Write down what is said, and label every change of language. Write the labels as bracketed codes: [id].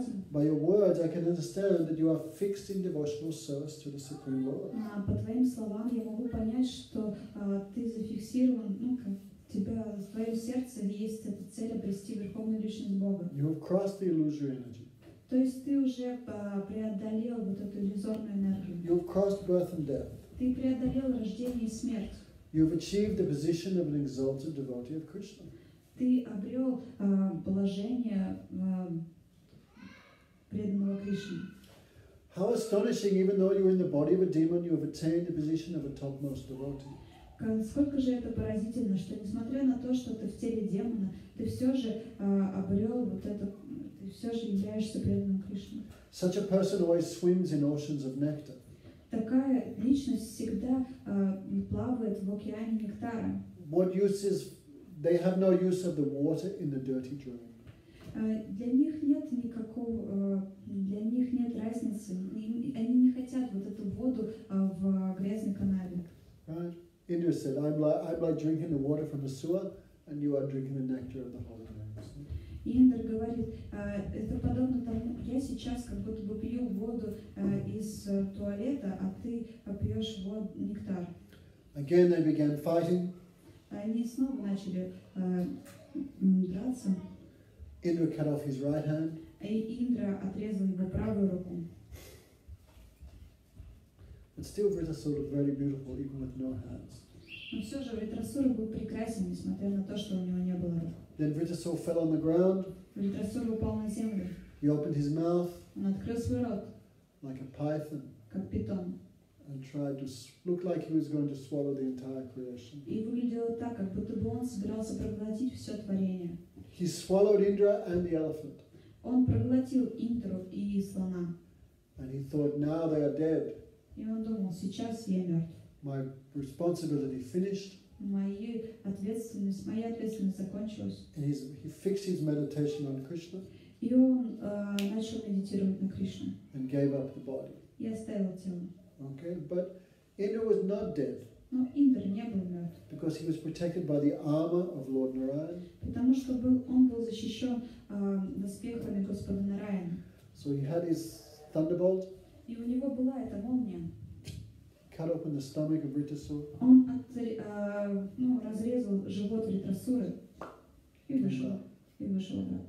[en] By your words, I can understand that you are fixed in devotional service to the Supreme Lord. [ru] По твоим словам я могу понять, что ты зафиксирован, ну как тебя в твоем сердце есть эта цель обрести верховную личность Бога. [en] You have crossed the illusory energy. [ru] То есть ты уже преодолел вот эту иллюзорную энергию. [en] You have crossed birth and death. [ru] Ты преодолел рождение и смерть. [en] You have achieved the position of an exalted devotee of Krishna. [ru] Ты обрел положение преданного Кришне. [en] How astonishing! Even though you are in the body of a demon, you have attained the position of a topmost devotee. [ru] Сколько же это поразительно, что несмотря на то, что ты в теле демона, ты все же обрел вот это, ты все же являешься преданным Кришне. [en] Such a person always swims in oceans of nectar. [ru] Такая личность всегда плавает в океане нектара. [en] What use is, they have no use of the water in the dirty drain. [ru] Для них нет никакого, для них нет разницы. Они не хотят вот эту воду в грязной канаве. [en] Right. Indra said, I'm like drinking the water from a sewer, and you are drinking the nectar of the holy rains. [ru] Индр говорит, это подобно тому, я сейчас как будто бы пью воду из туалета, а ты пьешь воду, нектар. [en] Again they began fighting. [ru] Они снова начали драться. [en] Indra cut off his right hand. [ru] И Индра отрезал его правую руку. [en] But still Vritasura was very beautiful, even with no hands. [ru] Но все же Вритасура был прекрасен, несмотря на то, что у него не было рук. [en] Then Vritasura fell on the ground. [ru] Vritasura упал на землю. [en] He opened his mouth. [ru] Он открыл свой рот. [en] Like a python. [ru] Как питон. [en] And tried to look like he was going to swallow the entire creation. [ru] И выглядело так, как будто бы он собирался проглотить все творение. [en] He swallowed Indra and the elephant. [ru] Он проглотил Индру и слона. [en] And he thought, now they are dead. [ru] И он думал, сейчас я мертв. [en] My responsibility finished. [ru] Моя ответственность закончилась. [en] And he fixed his meditation on Krishna. [ru] И он начал медитировать на Кришну. [en] And gave up the body. [ru] И оставил тело. [en] Okay, but Indra was not dead. [ru] Но Индра не был мертв. [en] Because he was protected by the armor of Lord Narayan. [ru] Потому что он был защищен доспехами Господа Нараяна. [en] So he had his thunderbolt. [ru] И у него была эта молния. [en] Cut open the stomach of Vritasura. [ru] Он разрезал живот Вритасуры и вышел обратно.